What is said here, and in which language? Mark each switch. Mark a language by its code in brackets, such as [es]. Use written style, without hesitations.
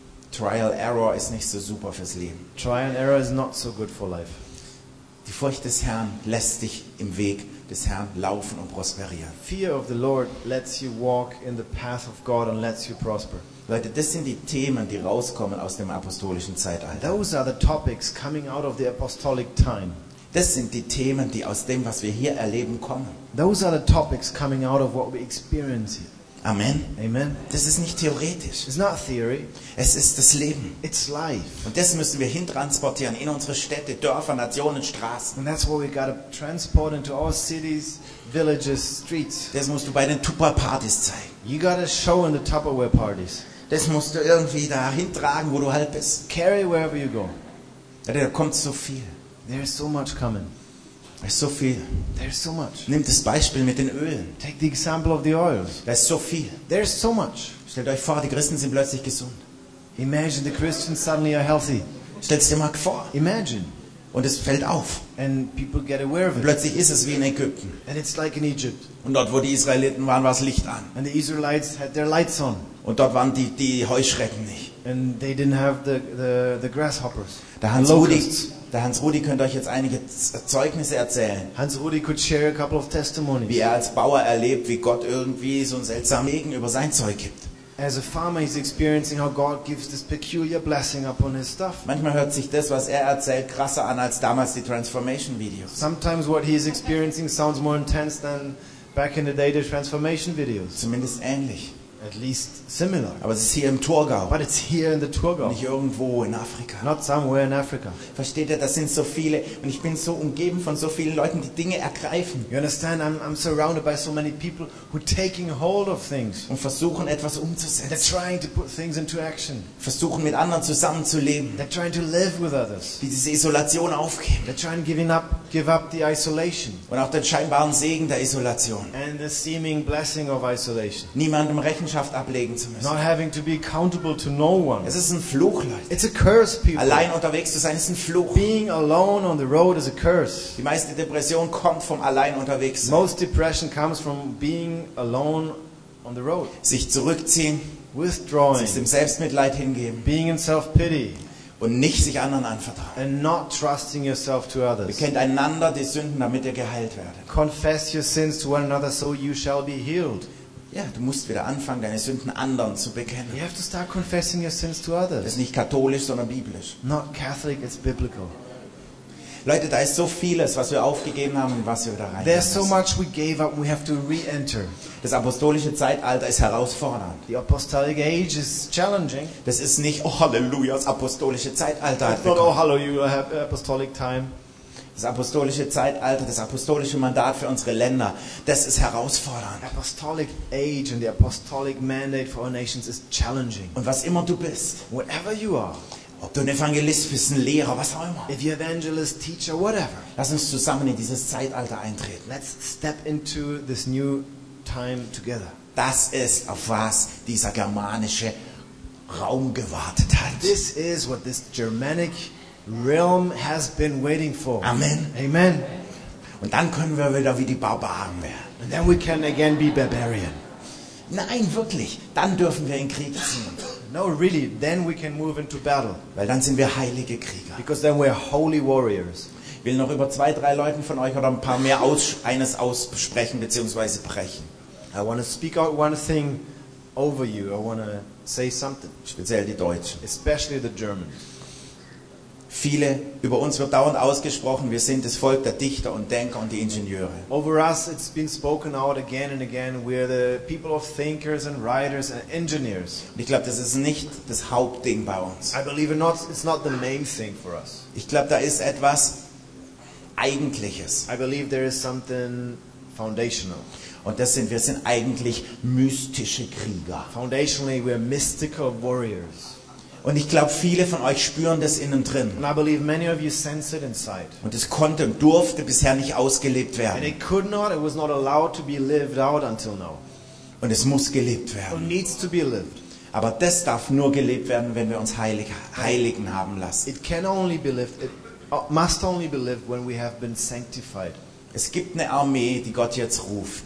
[de] Trial error ist nicht so super fürs Leben. [en] Trial error is not so good for life. [de] Die Furcht des Herrn lässt dich im Weg des Herrn laufen und prosperieren. [en] Fear of the Lord lets you walk in the path of God and lets you prosper. [de] Leute, das sind die Themen, die rauskommen aus dem apostolischen Zeitalter. [en] Those are the topics coming out of the apostolic time. [de] Das sind die Themen, die aus dem, was wir hier erleben, kommen. [en] Those are the topics coming out of what we experience here. [de] Amen. [en] Amen. [de] Das ist nicht theoretisch. [en] It's not theory. [de] Es ist das Leben. [en] It's life. [de] Und das müssen wir hintransportieren in unsere Städte, Dörfer, Nationen, Straßen. [en] And that's what we gotta transport into our cities, villages, streets. [de] Das musst du bei den Tupperpartys zeigen. [en] You gotta show in the Tupperware parties. [de] Das musst du irgendwie dahin tragen, wo du halt bist. [en] Carry wherever you go. [de] Ja, da kommt so viel. [en] There is so much coming. [de] Es ist so viel. [en] There's so much. [de] Nimm das Beispiel mit den Ölen. [en] Take the example of the oils. [de] Da ist so viel. [en] There's so much. [de] Stellt euch vor, die Christen sind plötzlich gesund. [en] Imagine the Christians suddenly are healthy. [de] Stellt's dir mal vor. [en] Imagine. [de] Und es fällt auf. [en] And people get aware of it. [de] Plötzlich ist es wie in Ägypten. [en] And it's like in Egypt. [de] Und dort, wo die Israeliten waren, war es Licht an. [en] And the Israelites had their lights on. [de] Und dort waren die Heuschrecken nicht. [en] And they didn't have the grasshoppers. [de] Da haben sie Hans-Rudi. Der Hans-Rudi könnte euch jetzt einige Zeugnisse erzählen. [en] Hans-Rudi could share a couple of testimonies. [de] Wie er als Bauer erlebt, wie Gott irgendwie so einen seltsamen Regen über sein Zeug gibt. [en] As a farmer, he's experiencing how God gives this peculiar blessing upon his stuff. [de] Manchmal hört sich das, was er erzählt, krasser an als damals die Transformation Videos. [en] Sometimes what he is experiencing sounds more intense than back in the day the Transformation Videos. [de] Zumindest ähnlich. [en] At least similar. [de] Aber es ist hier im Thurgau. [en] But it's here in the Thurgau. [de] Nicht irgendwo in Afrika. [en] Not somewhere in Africa. [de] Versteht ihr, das sind so viele und ich bin so umgeben von so vielen Leuten, die Dinge ergreifen. [en] You understand? I'm surrounded by so many people who are taking hold of things. [de] Und versuchen etwas umzusetzen. [en] They're trying to put things into action. [de] Versuchen mit anderen zusammenzuleben. [en] They're trying to live with others. [de] Die diese Isolation aufgeben. [en] They're trying to give up the isolation. [de] Und auch den scheinbaren Segen der Isolation. [en] And the seeming blessing of isolation. [de] Niemandem rechnen ablegen zu müssen. [en] Not having to be accountable to no one. [de] Es ist ein Fluch, Leute. [en] It's a curse, people. [de] Allein unterwegs zu sein ist ein Fluch. [en] Being alone on the road is a curse. [de] Die meiste Depression kommt vom allein unterwegs sein. [en] Most depression comes from being alone on the road. [de] Sich zurückziehen, [en] withdrawing, [de] sich dem Selbstmitleid hingeben, [en] being in self-pity, [de] und nicht sich anderen anvertrauen. [en] And not trusting yourself to others. [de] Bekennt einander die Sünden, damit ihr geheilt werdet. [en] Confess your sins to one another, so you shall be healed. [de] Ja, du musst wieder anfangen, deine Sünden anderen zu bekennen. [en] You have to start confessing your sins to others. [de] Das ist nicht katholisch, sondern biblisch. [en] Not Catholic, it's biblical. [de] Leute, da ist so vieles, was wir aufgegeben haben und was wir wieder rein. [en] There's so much we gave up, we have to re-enter. [de] Das apostolische Zeitalter ist herausfordernd. [en] The apostolic age is challenging. [de] Das ist nicht, oh Halleluja, das apostolische Zeitalter. [en] It's not, oh Halleluja, apostolic time. [de] Das apostolische Zeitalter, das apostolische Mandat für unsere Länder, das ist herausfordernd. [en] Apostolic age and the apostolic mandate for our nations is challenging. [de] Und was immer du bist, [en] whatever you are, [de] ob du ein Evangelist bist, ein Lehrer, was auch immer, [en] if you're evangelist, teacher, whatever, [de] lass uns zusammen in dieses Zeitalter eintreten. [en] Let's step into this new time together. [de] Das ist, auf was dieser germanische Raum gewartet hat. [en] This is what this Germanic realm has been waiting for. [de] Amen. [en] Amen. [de] Und dann können wir wieder wie die Barbaren werden. [en] And then we can again be barbarian. [de] Nein, wirklich. Dann dürfen wir in Krieg ziehen. [en] No, really. Then we can move into battle. [de] Weil dann sind wir heilige Krieger. [en] Because then we're holy warriors. [de] Ich will noch über zwei, drei Leuten von euch oder ein paar mehr eines aussprechen beziehungsweise brechen. [en] I want to speak out one thing over you. I want to say something. [de] Speziell die Deutschen. [en] Especially the Germans. [de] Viele, über uns wird dauernd ausgesprochen, wir sind das Volk der Dichter und Denker und die Ingenieure. [en] Over us it's been spoken out again and again, we're the people of thinkers and writers and engineers. [de] Und ich glaube, das ist nicht das Hauptding bei uns. [en] I believe it's not the main thing for us. [de] Ich glaube, da ist etwas Eigentliches. [en] I believe there is something foundational. [de] Und das sind, wir sind eigentlich mystische Krieger. [en] Foundationally we're mystical warriors. [de] Und ich glaube, viele von euch spüren das innen drin. [en] And I believe many of you sense it inside. [de] Und es konnte und durfte bisher nicht ausgelebt werden. [en] And it could not, it was not allowed to be lived out until now. [de] Und es muss gelebt werden. [en] It needs to be lived. [de] Aber das darf nur gelebt werden, wenn wir uns heiligen haben lassen. [en] It can only be lived, it must only be lived when we have been sanctified. [de] Es gibt eine Armee, die Gott jetzt ruft.